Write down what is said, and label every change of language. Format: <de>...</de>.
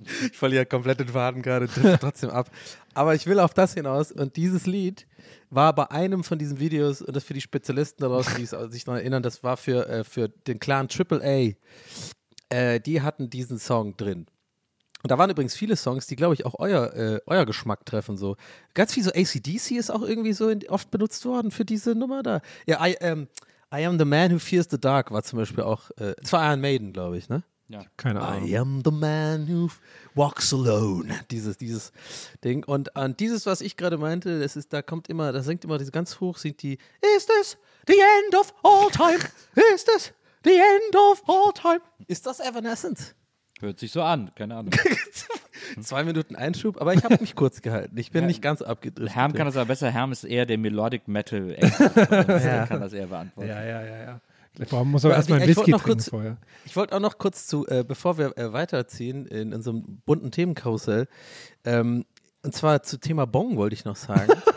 <de>Ich verliere komplett den Faden gerade, drift trotzdem ab. Aber ich will auf das hinaus und dieses Lied war bei einem von diesen Videos, und das für die Spezialisten daraus, die sich noch erinnern, das war für den Clan AAA, die hatten diesen Song drin. Und da waren übrigens viele Songs, die, glaube ich, auch euer Geschmack treffen. So. Ganz viel so AC/DC ist auch irgendwie so oft benutzt worden für diese Nummer da. Ja, I Am The Man Who Fears The Dark war zum Beispiel auch, das war Iron Maiden, glaube ich, ne? Ja, keine Ahnung.</de> <en>I am the man who walks alone.</en> <de>Dieses Ding. Und an dieses, was ich gerade meinte, das ist, da kommt immer, da singt immer diese ganz hoch, singt die,</de> <en>is this the end of all time? Is this the end of all time?</en> <de>Ist das Evanescence? Hört sich so an, keine Ahnung. 2 Minuten Einschub, aber ich habe mich kurz gehalten. Ich bin nicht ganz abgedriftet. Herm kann das aber besser. Herm ist eher der Melodic Metal. Der kann das eher beantworten. Ja. Man muss aber erstmal ein Whisky trinken vorher. Ich wollte auch noch kurz zu, bevor wir weiterziehen in unserem bunten Themenkarussell, und zwar zu Thema Bong wollte ich noch sagen.</de>